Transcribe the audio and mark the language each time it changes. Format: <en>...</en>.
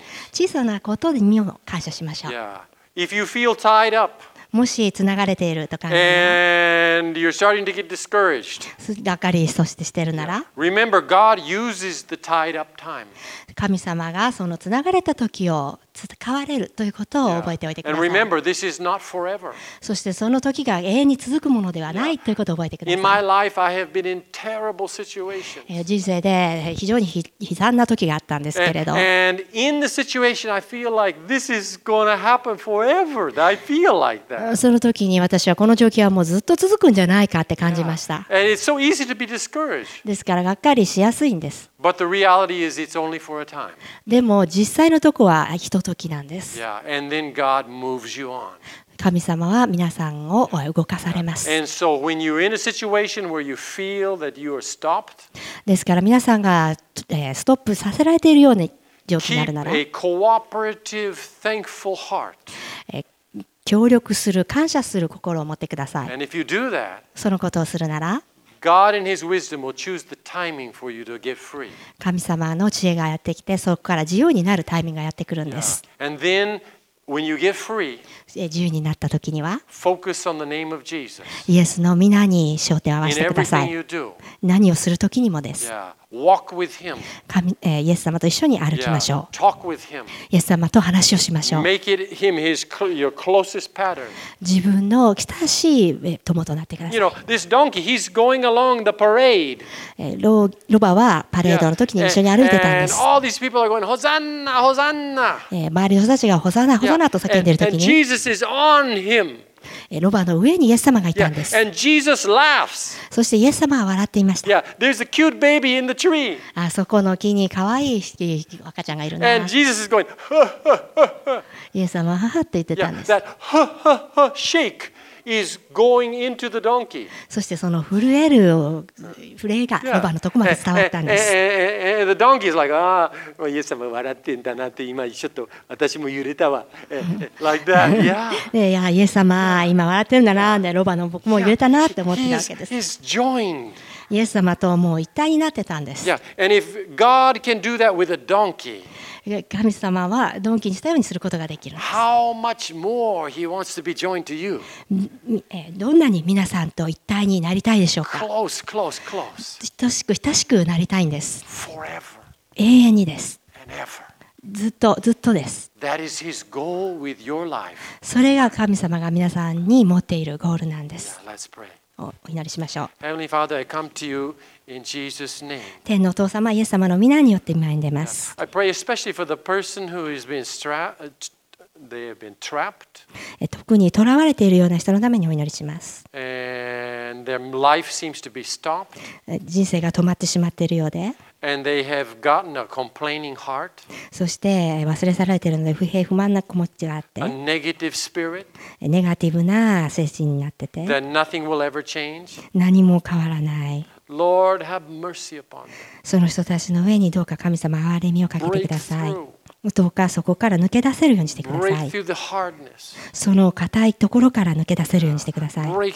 <ja>小さなことにも感謝しましょう。</ja> <en>Yeah. If you feel tied up,</en> <ja>もしつながれているとか、</ja> <en>and you're starting to get discouraged,</en> <ja>がかりそしてしているなら、</ja> <en>yeah. Remember, God uses the tied up time.</en> <ja>神様がそのつながれた時を使われるということを覚えておいてください。</ja> <en>And remember, this is not forever.</en> <ja>そしてその時が永遠に続くものではないということを覚えてください。</ja> <en>In my life, I have been in terrible situations.</en> <ja>人生で非常に悲惨な時があったんですけれど。</ja> <en>And in the situation, I feel like this is going to happen forever. I feel like that.</en> <ja>その時に私はこの状況はもうずっと続くんじゃないかって感じました。</ja> <en>And it's so easy to be discouraged.</en> <ja>ですからがっかりしやすいんです。</ja> <en>But the reality is it's only for a time.</en> <ja>でも実際のとこはひとときなんです。</ja> <en>Yeah, and then God moves you on.</en> <ja>神様は皆さんを動かされます。</ja> <en>And so when you're in a situation where you feel that you are stopped,</en> <ja>ですから皆さんがストップさせられているような状況になるなら、</ja> <en>keep a cooperative, thankful heart.</en> <ja>協力する、感謝する心を持ってください。</ja> <en>And if you do that,</en> <ja>そのことをするなら、</ja> <en>God in His wisdom will choose the timing for you to get free.</en> <ja>神様の知恵がやってきて、そこから自由になるタイミングがやってくるんです。</ja> <en>Yeah. And then, when you get free,</en> <ja>自由になった時には、</ja> <en>focus on the name of Jesus.</en> <ja>イエスの御名に焦点を合わせてください。</ja> <en>In everything you do.</en> <ja>何をする時にもです。</ja> <en>Yeah. Walk with Him.</en> <ja>イエス様と一緒に歩きましょう。</ja> <en>Yeah. Talk with Him.</en> <ja>イエス様と話をしましょう。</ja> <en>Make it Him His your closest pattern.</en> <ja>自分の親しい友となってください。</ja> <en>You know, this donkey, he's going along the parade.</en> <ja>ロバはパレードの時に一緒に歩いてたんです。</ja> <en>And all these people are going, Hosanna, Hosanna.</en> <ja>周りの人たちが、</ja> <en>Hosanna, Hosanna</en> <ja>と叫んでいる時に。</ja> <en>Jesus is on him.</en> <ja>ロバの上にイエス様がいたんです。</ja> <en>Yeah. And Jesus laughs.</en> <ja>そしてイエス様は笑っていました。</ja> <en>Yeah. There's a cute baby in the tree.</en> <ja>あそこの木に可愛い赤ちゃんがいるな。</ja> <en>And Jesus is going,</en> <ja>イエス様ははって言ってたんです。</ja> <en>Yeah. That shake is going into the donkey.</en> <ja>そしてその震える震えがロバのとこまで伝わったんです。</ja> <en>Yeah. And the donkey is like, ah,</en> <ja>イエス様笑ってんだなって今ちょっと私も揺れたわ。</ja> <en>Like that, yeah.</en> <ja>いやイエス様今笑ってるんだな、ね、ロバの僕も揺れたなって思ってたわけです。</ja> <en>He's joined.</en> <ja>イエス様ともう一体になってたんです。</ja> <en>Yeah. And if God can do that with a donkey.</en> <ja>神様はドンキにしたようにすることができるんです。</ja> <en>How much more he wants to be joined to you?</en> <ja>どんなに皆さんと一体になりたいでしょうか。</ja> <en>Close, close, close.</en> <ja>親しくなりたいんです。</ja> <en>Forever.</en> <ja>永遠にです。</ja> <en>And ever.</en> <ja>ずっとずっとです。</ja> <en>That is his goal with your life.</en> <ja>それが神様が皆さんに持っているゴールなんです。</ja> <en>Yeah, let's pray.</en> <ja>お祈りしましょう。</ja> <en>Heavenly Father, I come to you. In Jesus' name.</en> <ja>天のお父様、イエス様の御名によって前に出ます。</ja> <en>I pray especially for the person who has been trapped. They have been trapped.</en> <ja>特に囚われているような人のためにお祈りします。</ja> <en>And their life seems to be stopped.</en> <ja>人生が止まってしまっているようで。</ja> <en>And they have gotten a complaining heart.</en> <ja>そして忘れ去られているので不平不満な気持ちがあって。</ja> <en>A negative spirit.</en> <ja>ネガティブな精神になってて。</ja> <en>That nothing will ever change.</en> <ja>何も変わらない。</ja> <en>Lord, have mercy upon them.</en> <ja>その人たちの上にどうか神様憐れみをかけてください。どうかそこから抜け出せるようにしてください。その硬いところから抜け出せるようにしてください。</ja>